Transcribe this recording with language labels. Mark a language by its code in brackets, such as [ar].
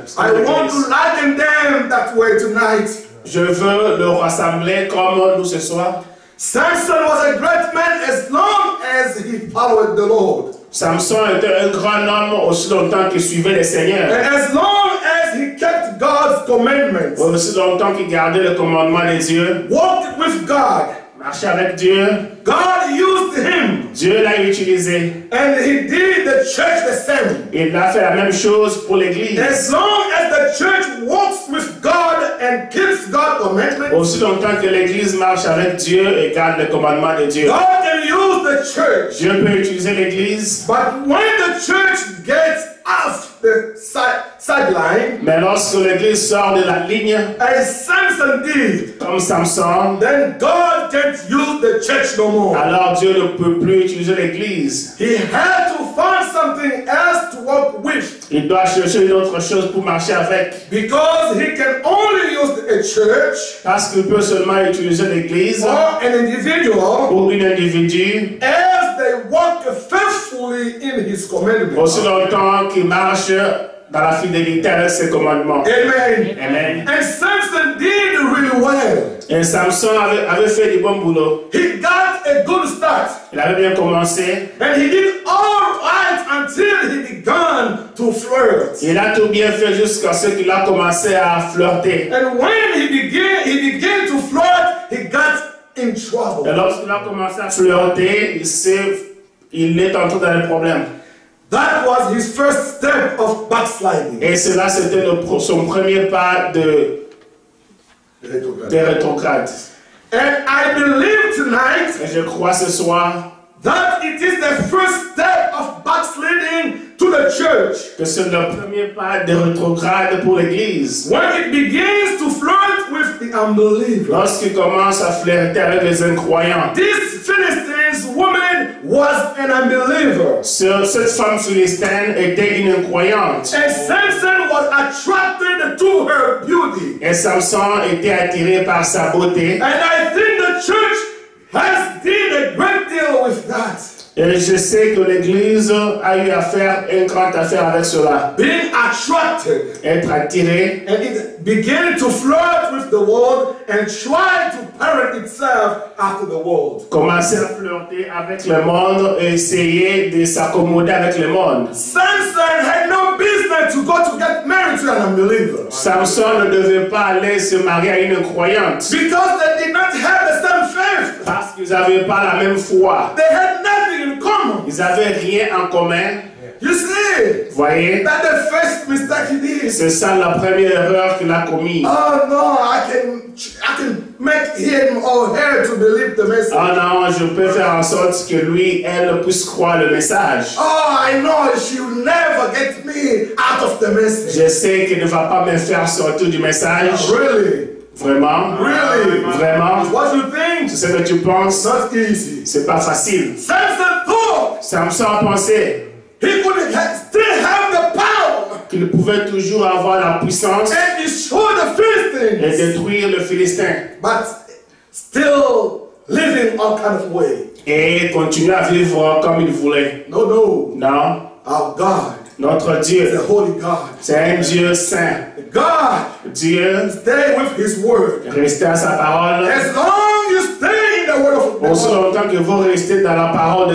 [en] I want to liken them that way tonight. [fr] Je veux le rassembler comme nous ce soir. [en] Samson was a great man as long as he followed the Lord. [fr] Samson était un grand homme aussi longtemps qu'il suivait le Seigneur. [en] And as long as he kept God's commandments. [fr] Aussi longtemps qu'il gardait le commandement de Dieu. [en] Walked with God. [fr] Marcher avec Dieu. [en] God used him. [fr] Dieu l'a utilisé. [en] And he did the church the same. [fr] Il a fait la même chose pour l'église. [en] As long as the church walks with God and keeps God's commandments. [fr] Aussi longtemps que l'église marche avec Dieu et garde le commandement de Dieu. [en] God can use the church. [fr] Dieu peut utiliser l'église. [en] But when the church gets off the sideline. [fr] Mais lorsque l'église sort de la ligne. [en] As Samson did. [fr] Comme Samson. [en] Then God can't use the church no more. [fr] Alors Dieu ne peut plus utiliser l'église. [en] He had to find something else to work with. [fr] Il doit chercher une autre chose pour marcher avec. [en] Because he can only use a church. [fr] Parce qu'il peut seulement utiliser l'église. [en] Or an individual. [fr] Ou un individu. [en] As they walk faithfully in his commandments. [fr] Aussi longtemps qu'il marche dans la fidélité avec ses commandements. [en] Amen. [fr] Amen. [en] And Samson did really well. [fr] Et Samson avait fait du bon boulot. [en] He got a good start. [fr] Il avait bien commencé. [en] And he did all right until he began to flirt. [fr] Il a tout bien fait jusqu'à ce qu'il a commencé à flirter. [en] And when he began to flirt, he got in trouble. [fr] Et lorsqu'il a commencé à flirter, il est entré dans un problème. [en] That was his first step of backsliding. [fr] Et cela, c'était son premier pas de rétrograde. [en] And I believe tonight. [fr] Et je crois ce soir. [en] That it is the first step of backsliding to the church. [fr] Que c'est le premier pas de rétrograde pour l'église. [en] When it begins to flirt with the unbelievers. [fr] Lorsqu'il commence à flirter avec les incroyants. [en] This Philistine woman was an unbeliever. [fr] Cette femme philistine était une incroyante. [en] And Samson was attracted to her beauty. [fr] Et Samson était attiré par sa beauté. [en] And I think the church has did a great deal with that. [fr] Et je sais que l'église a eu affaire, une grande affaire avec cela. [en] Being attracted. [fr] être attiré, [en] and it began to flirt with the world and try to parent itself after the world. [fr] Commencer à flirter avec le monde et essayer de s'accommoder avec le monde. [en] Samson had no business to go to get married to an unbeliever. [fr] Samson ne devait pas aller se marier à une croyante. [en] Because they did not have the same faith. [fr] Parce qu'ils n'avaient pas la même foi. [en] They had nothing in common. [fr] Ils n'avaient rien en commun. [en] You see, [fr] voyez, [en] that the first mistake he did. [fr] C'est ça la première erreur qu'il a commis. [en] Oh no, I can make him or her to believe the message. [fr] Ah non, je peux faire en sorte que lui, elle puisse croire le message. [en] Oh, I know she will never get me out of the message. [fr] Je sais qu'elle ne va pas me faire sortir du message. [en] Oh, really? [fr] Vraiment? [en] Really? [fr] Vraiment? [en] What you think? [fr] C'est ce que tu penses? [en] Not easy. [fr] C'est pas facile. [en] Samson thought. [fr] Samson pensait. [en] He could still have the power. [fr] Qu'il pouvait toujours avoir la puissance. [en] And destroy the Philistines. [fr] Et détruire le Philistin. [en] But still living all kind of way. [fr] Et continuer à vivre comme il voulait. [en] No, no. [fr] Non. [en] Our God. [fr] Notre Dieu. [en] The Holy God. [fr] C'est un Dieu saint. [en] God. [fr] Dieu. [en] Stay with His word. [fr] Restez à sa parole. [en] As long you stay in the word of God. [fr] Aussi longtemps que vous restez dans la parole de